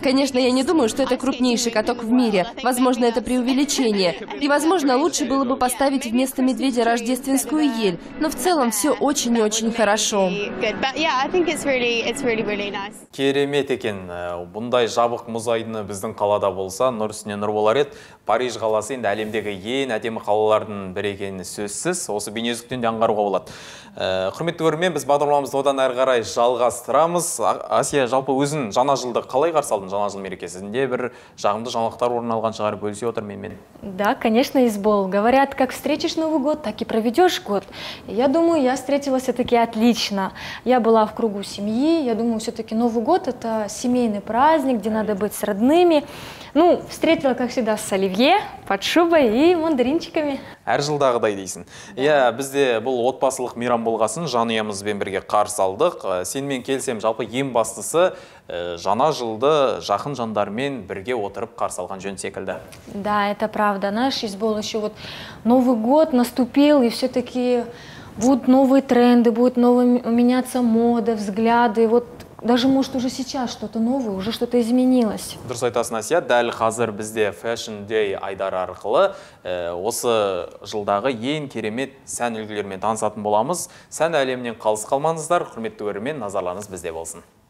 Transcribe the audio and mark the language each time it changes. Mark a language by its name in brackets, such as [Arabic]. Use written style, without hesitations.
[Russian] Конечно, я не думаю, что это крупнейший каток в мире. Возможно, это преувеличение. И, возможно, лучше было бы поставить вместо медведя рождественскую ель. Но в целом все очень и очень хорошо. [Kazakh] Керемет екен. Бұндай жабық мұз айдыны біздің қалада болса, нұр үстіне нұр болар еді. Париж қаласы енді әлемдегі ең әдемі қалалардың бірі екені сөзсіз. Осы бейнежүзіктен де аңғаруға болады. Құрметті көрермен, біз бағдарламамызды одан әрі қарай жалғастырамыз. Асия, жалпы өзін жаңа жылды қалай қарсы алдың, жаңа жыл мерекесінде бір жағымды жаңалықтар орын алған шығар, бөлісе отыр менімен. [Russian] Да, конечно, Есбол. Говорят, как встретишь Новый год, так и проведешь год. Я думаю, я встретилась все-таки отлично. Я была в кругу семьи. Я думаю, все-таки Новый год – это семейный праздник, где надо быть с родными. Ну, встретила, как всегда, с оливье, под шубой и мандаринчиками. [Kazakh] Әр жылдағыдай дейсің. Иә, бізде бұл отбасылық мейрам болғасын жанұямызбен бірге қарсы алдық. Сенмен келсем, жалпы ең бастысы жаңа жылды жақын жандармен бірге отырып қарсы алған жөн секілді. [Russian] Да, это правда. Наш избол еще вот Новый год наступил, и все-таки будут новые тренды, будут новые меняться моды, взгляды. Вот даже может уже сейчас что-то новое, уже что-то изменилось. [Kazakh] Дұрыс айтасың, Асия, дәл қазір бізде Fashion Day айдары арқылы осы жылдағы ең керемет сән үлгілермен танысатын боламыз. Сән әлемінен қалыс қалмаңыздар, құрметті көрермен, назарларыңыз бізде болсын.